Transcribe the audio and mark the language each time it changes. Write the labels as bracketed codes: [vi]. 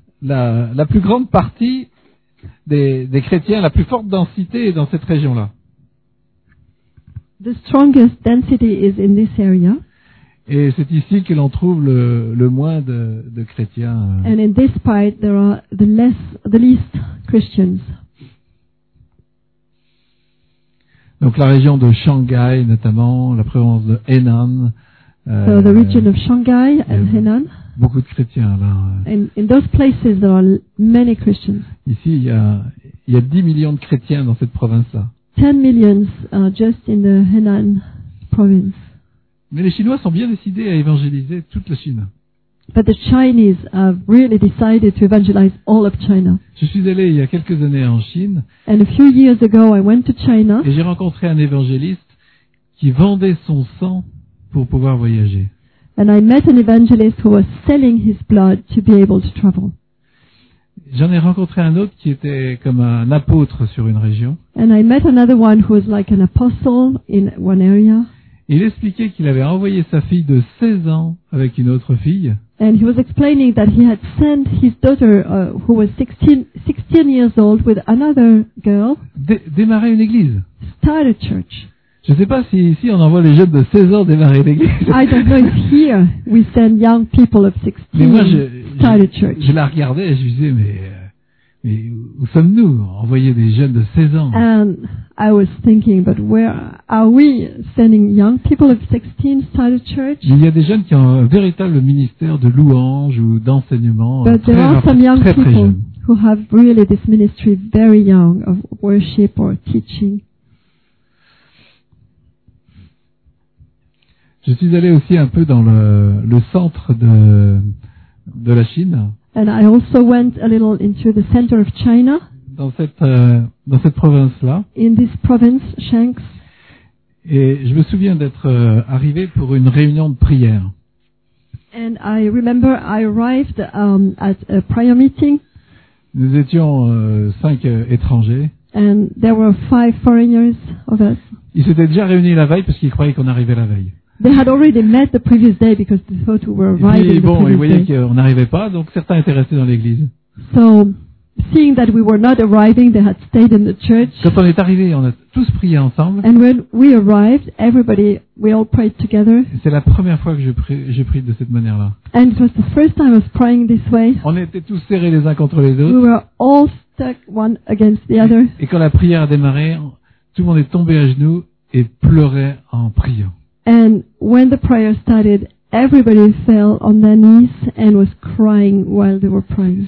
[fr] La plus grande partie des chrétiens, la plus forte densité est dans cette région-là. [en] The strongest density is in this area. [fr] Et c'est ici que l'on trouve le moins de chrétiens. [en] And in this part there are the least Christians. [fr] Donc la région de Shanghai notamment, la province de Henan. [en] So the region of Shanghai and Henan. [fr] Beaucoup de chrétiens là. [en] In those places there are many Christians. [fr] Ici il y a 10 millions de chrétiens dans cette province-là. [en] 10 millions just in the Henan province. [fr] Mais les Chinois sont bien décidés à évangéliser toute la Chine. [en] But the Chinese have really decided to evangelize all of China. [fr] Je suis allé il y a quelques années en Chine. [en] And a few years ago I went to China. [fr] Et j'ai rencontré un évangéliste qui vendait son sang pour pouvoir voyager. [en] And I met an evangelist who was selling his blood to be able to travel. [fr] J'en ai rencontré un autre qui était comme un apôtre sur une région. [en] And I met another one who was like an apostle in one area. [fr] Il expliquait qu'il avait envoyé sa fille de 16 ans avec une autre fille. [en] And he was explaining that he had sent his daughter who was 16 years old with another girl. [fr] Démarrer une église. [en] Start a church. [fr] Je ne sais pas si ici on envoie les jeunes de 16 ans démarrer l'église. [en] I don't know if here we send young people of 16 to start a church. [fr] Je la regardais et je disais mais où sommes-nous envoyer des jeunes de 16 ans? [en] And I was thinking, but where are we sending young people of 16 to start a church? [fr] Il y a des jeunes qui ont un véritable ministère de louange ou d'enseignement [en] but [fr] très [en] there are some young [fr] très, très [en] people [fr] jeune. [en] Who have really this ministry very young of worship or teaching. [fr] Je suis allé aussi un peu dans le centre de la Chine. [en] And I also went a little into the center of China. [fr] Dans cette province-là. [en] In this province, Shanks. [fr] Et je me souviens d'être arrivé pour une réunion de prière. [en] And I remember I arrived at a prayer meeting. [fr] Nous étions 5 étrangers. [en] And there were 5 foreigners of us. [fr] Ils s'étaient déjà réunis la veille parce qu'ils croyaient qu'on arrivait la veille. [en] They had already met the previous day because they thought we were arriving bon, the previous day. [fr] Ils voyaient qu'on n'arrivait pas, donc certains étaient restés dans l'église. [en] So, seeing that we were not arriving, they had stayed in the church. [fr] Quand on est arrivé, on a tous prié ensemble. [en] And when we arrived, everybody, we all prayed together. [fr] Et c'est la première fois que j'ai prié de cette manière-là. [en] And it was the first time I was praying this way. [fr] On était tous serrés les uns contre les autres. [en] We were all stuck one against the other. [fr] Et quand la prière a démarré, tout le monde est tombé à genoux et pleurait en priant. [en] And when the prayer started, everybody fell on their knees and was crying while they were praying.